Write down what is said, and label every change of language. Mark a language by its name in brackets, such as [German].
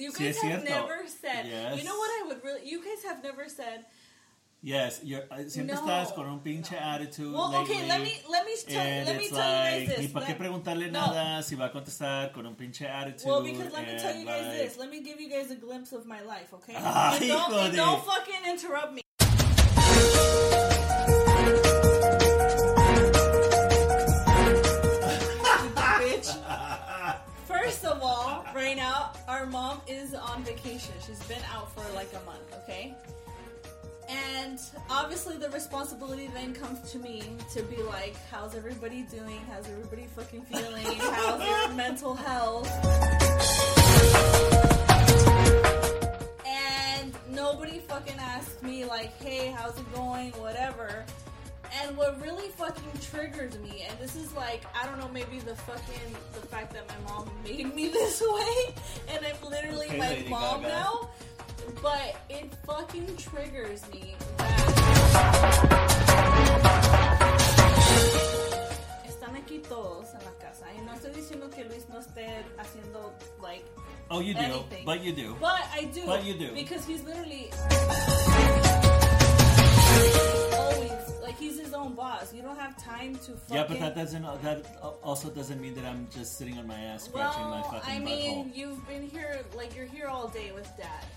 [English] You guys have never said, yes. You know what I would really, you guys have never said. [Spanish] Yes, siempre estás con un pinche attitude. [English] Well, lately, okay, let me tell you guys this. [Spanish] Ni para qué preguntarle nada si va a contestar con un pinche attitude. [English] Well, because let me tell you guys this. Let me give you guys a glimpse of my life, okay? Don't fucking interrupt me. Bitch. First of all, right now, our mom is on vacation. She's been out for like a month, okay? And obviously the responsibility then comes to me to be like, how's everybody doing? How's everybody fucking feeling? How's your mental health? And nobody fucking asked me like, hey, how's it going? Whatever. And what really fucking triggered me, and this is like, I don't know, maybe the fact that my mom made me this way, and I'm literally okay, my mom Gaga. Now. But it fucking triggers me that [Spanish] están aquí todos en la casa. Y no estoy diciendo que Luis no esté haciendo, like, [English] oh, you anything. Do. But you do. But I do. But you do. Because he's literally always, like, he's his own boss. You don't have time to fucking. Yeah, but that also doesn't mean that I'm just sitting on my ass scratching my fucking butthole. Well, I mean, you've been here, like, you're here all day with Dad.